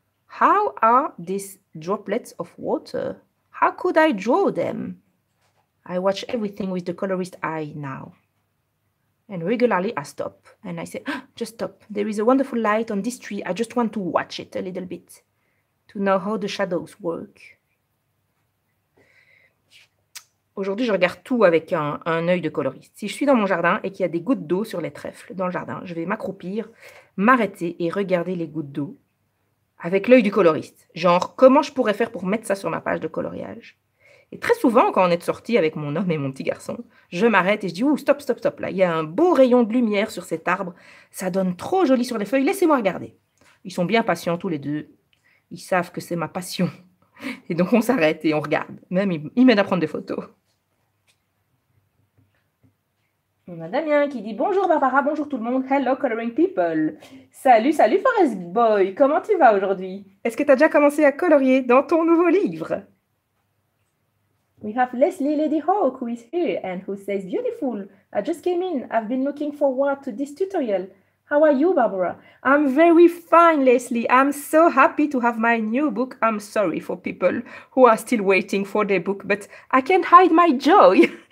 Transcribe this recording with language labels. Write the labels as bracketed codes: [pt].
[en] How are these droplets of water? How could I draw them? I watch everything with the colorist eye now. And regularly I stop and I say, ah, just stop. There is a wonderful light on this tree. I just want to watch it a little bit to know how the shadows work. [fr] Aujourd'hui, je regarde tout avec un œil de coloriste. Si je suis dans mon jardin et qu'il y a des gouttes d'eau sur les trèfles dans le jardin, je vais m'accroupir, m'arrêter et regarder les gouttes d'eau avec l'œil du coloriste. Genre, comment je pourrais faire pour mettre ça sur ma page de coloriage? Et très souvent, quand on est sorti avec mon homme et mon petit garçon, je m'arrête et je dis « Ouh, stop, stop, stop, là, il y a un beau rayon de lumière sur cet arbre, ça donne trop joli sur les feuilles, laissez-moi regarder. » Ils sont bien patients tous les deux, ils savent que c'est ma passion. Et donc on s'arrête et on regarde, même ils m'aident à prendre des photos. On a Damien qui dit « Bonjour Barbara, bonjour tout le monde, [en] hello coloring people. [fr] Salut, salut Forest Boy, comment tu vas aujourd'hui ? » Est-ce que tu as déjà commencé à colorier dans ton nouveau livre ? [en] We have Leslie Lady Hawk who is here and who says, beautiful, I just came in. I've been looking forward to this tutorial. How are you, Barbara? I'm very fine, Leslie. I'm so happy to have my new book. I'm sorry for people who are still waiting for their book, but I can't hide my joy.